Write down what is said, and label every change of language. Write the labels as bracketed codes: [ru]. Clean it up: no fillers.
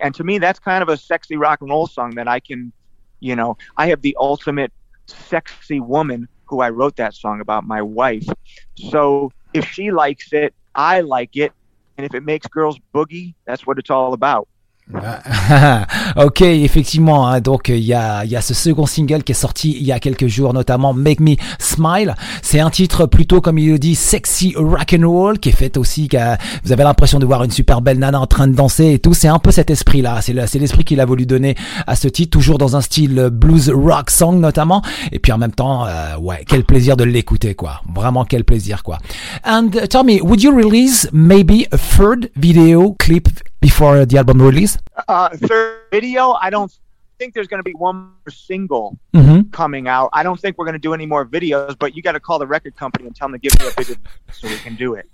[en] And to me, that's kind of a sexy rock and roll song that I can, you know, I have the ultimate sexy woman who I wrote that song about, my wife. So if she likes it, I like it. And if it makes girls boogie, that's what it's all about. [fr] Ok, effectivement, hein, donc il y a ce second single qui est sorti il y a quelques jours, notamment Make Me Smile. C'est un titre plutôt, comme il le dit, sexy rock and roll, qui est fait aussi que vous avez l'impression de voir une super belle nana en train de danser et tout. C'est un peu cet esprit là c'est l'esprit qu'il a voulu donner à ce titre, toujours dans un style blues rock song notamment. Et puis en même temps, ouais, quel plaisir de l'écouter, quoi. Vraiment quel plaisir, quoi. [en] And Tommy, would you release maybe a third video clip before the album release? Third video, I don't think there's going to be one more single mm-hmm. coming out. I don't think we're going to do any more videos, but you got to call the record company and tell them to give you a bigger so we can do it.